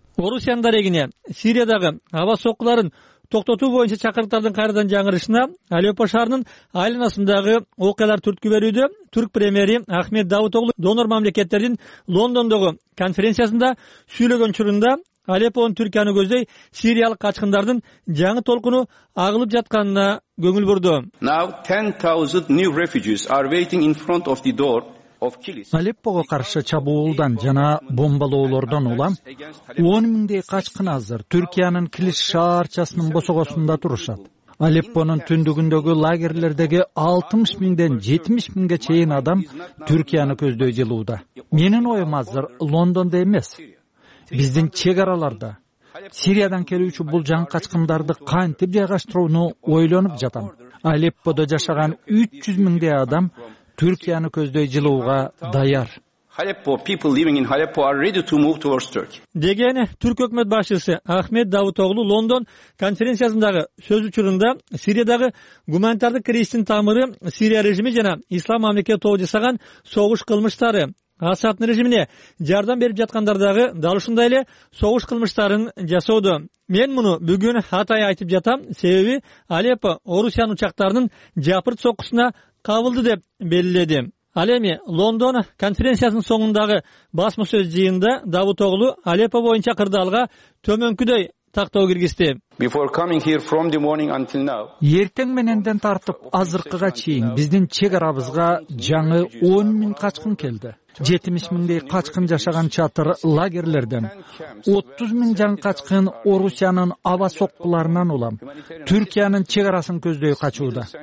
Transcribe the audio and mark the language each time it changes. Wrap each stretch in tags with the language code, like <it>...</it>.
<ky>Орусиянын дарегине Сириядагы аба соккуларын токтотуу боюнча чакырыктардын кайрадан жаңырышына Алеппо шаарынын айланасындагы окуялар түрткү берүүдө. Түрк премьери Ахмет Давутоглу донор мамлекеттердин Лондондогу конференциясында сүйлөгөн чурунда Алеппонун Түркияны көздөй сириялык качкындардын жаңы толкуну агылып жатканына көңүл бурду.</ky> <en>Now 10,000 new refugees are waiting in front of the door</en> <ky>Алеппого каршы чабуулдан жана бомбалоолордон улам 10 миңдей качкын азыр Түркиянын Килиш шаарчасынын босогосунда турушат. Алеппонун түндүгүндөгү лагерлердеги 60 миңден 70 миңге чейин адам Түркияны көздөй жылууда. Менин оюм азыр Лондондо эмес. Биздин чек араларда Сириядан келүүчү бул жан качкындарды кантип жайгаштырууну ойлонуп жатам. Алепподо жашаган 300 миңдей адам Түркияны көздөй жылууга даяр.</ky> <en>Aleppo people living in Aleppo are ready to move towards Turkey.</en> <ky>Дегени Түрк өкмөт башчысы Ахмет Давутоглу Лондон конференциясындагы сөз учурунда Сириядагы гуманитардык кризистин тамыры Сирия режими жана Ислам мамлекети тобу жасаган согуш кылмыштары Асаттын режимине жардам берип жаткандар дагы дал ушундай эле согуш кылмыштарын жасоодо. Мен муну бүгүн атайын айтып жатам, себеби Алеппо Орусиянын учактарынын жапырт согушуна кабылды деп белгиледи. Ал эми Лондон конференциясынын соңундагы басма сөз жыйынында Давутоглу Алеппо боюнча кырдаалга төмөнкүдөй тактоо киргизди.</ky> <en>Before coming here from the morning until now.</en> <ky>Эртең менен тартып азыркыга чейин биздин чек арабызга жаңы 10 миң качкын келди. 70 миңдей качкын жашаган чатыр лагерлерден 30 миң жан качкын Орусиянын аба соккуларынан улам Түркиянын чек арасын көздөй качууда.</ky>